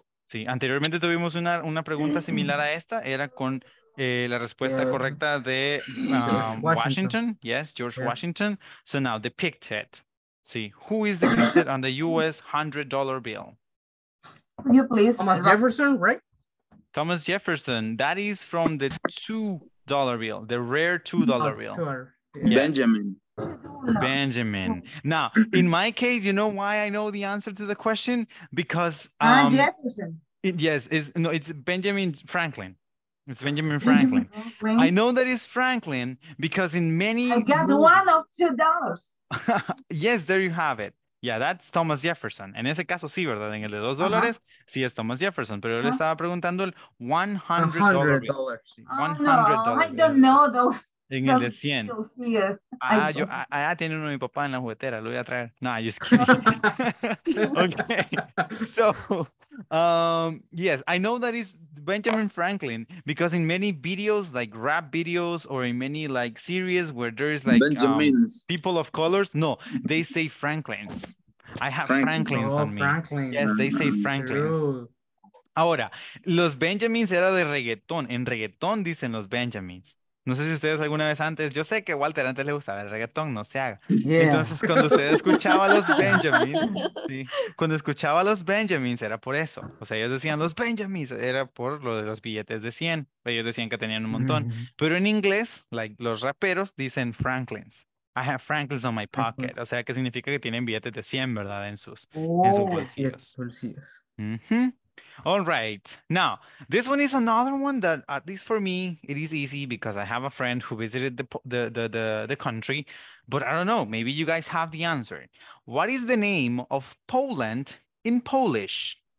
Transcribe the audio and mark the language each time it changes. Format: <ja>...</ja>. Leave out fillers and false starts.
<es>Sí, anteriormente tuvimos una pregunta similar a esta, era con la respuesta correcta de Washington.</es> <en>Yes, George Washington. So now, depicted. Sí, who is depicted on the US $100 bill? Will you please? Thomas Jefferson, right? Thomas Jefferson. That is from the $2 bill, the rare $2 bill. Benjamin. Benjamin. Now, in my case, you know why I know the answer to the question? Because Jefferson. It's Benjamin Franklin. It's Benjamin Franklin. I know that it's Franklin because in many I got one of $2. Yes, there you have it. Yeah, that's Thomas Jefferson.</en> <es>En ese caso, sí, ¿verdad? En el de $2, sí es Thomas Jefferson. Pero yo le estaba preguntando el $100.</es> <en>$100. Oh, no, I don't know those.</en> <es>En el de 100. Ah, tiene uno de mi papá en la juguetera. Lo voy a traer. No,</es> <en>I just kidding.</en> <es>Okay.</es> <en>So, yes, I know that is Benjamin Franklin because in many videos, like rap videos or in many like series where there is like people of colors, no, they say Franklins. I have Franklin's on me. Franklin. Yes, they say Franklin's.</en> <es>Ahora, los Benjamins era de reggaetón. En reggaetón dicen los Benjamins. No sé si ustedes alguna vez antes, yo sé que Walter antes le gustaba el reggaetón, no se haga. Yeah. Entonces, cuando usted escuchaba a los Benjamins, sí, cuando escuchaba a los Benjamins era por eso. O sea, ellos decían los Benjamins, era por lo de los billetes de 100. Ellos decían que tenían un montón. Mm-hmm. Pero en inglés, like, los raperos dicen Franklin's.</es> <en>I have Franklin's on my pocket.</en> <es>O sea, que significa que tienen billetes de 100, ¿verdad? En sus, oh, en sus bolsillos. Bolsillos.</es> <en>Mm-hmm. All right. Now, this one is another one that, at least for me, it is easy because I have a friend who visited the country. But I don't know. Maybe you guys have the answer. What is the name of Poland in Polish?</en>